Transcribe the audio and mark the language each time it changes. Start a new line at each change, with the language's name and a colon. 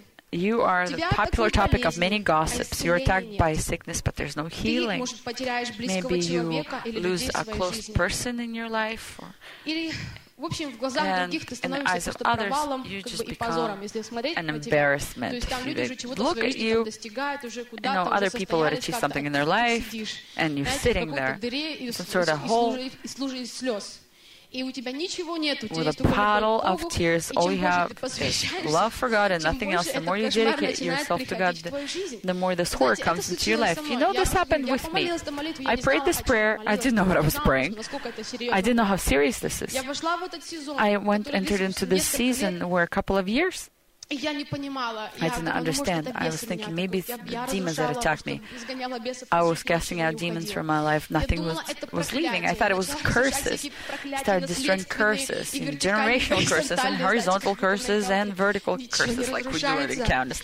English: You are the popular topic of many gossips. You're attacked by sickness, but there's no healing. Maybe you lose a close person in your life. Or
Russian: В общем, в глазах других ты становишься просто провалом, как бы и позором, если смотреть на тебя. То есть там люди уже чего-то в своей жизни достигают, уже куда-то уже состоялись как-то. Ты сидишь, знаете, в каком-то дыре и служишь из слез. И у тебя ничего нет, у тебя есть только любовь, и чем больше ты посвящаешься, тем больше этот кошмар начинает приходить в твою жизнь. Знаете, это случилось со мной. Я помолилась эту молитву, я не знала, как я молилась, но я знала, насколько это серьезно.
English: I didn't know how serious this is.
Russian: Я вошла в этот сезон,
English: entered into this season where a couple of years.
Russian: Я не понимала.
English: I didn't understand. I was thinking maybe it's the demons that attacked me. I was casting out demons from my life. Nothing was leaving. I thought it was curses. Started destroying curses, generational curses, and horizontal curses, and vertical curses, like we do it in countess.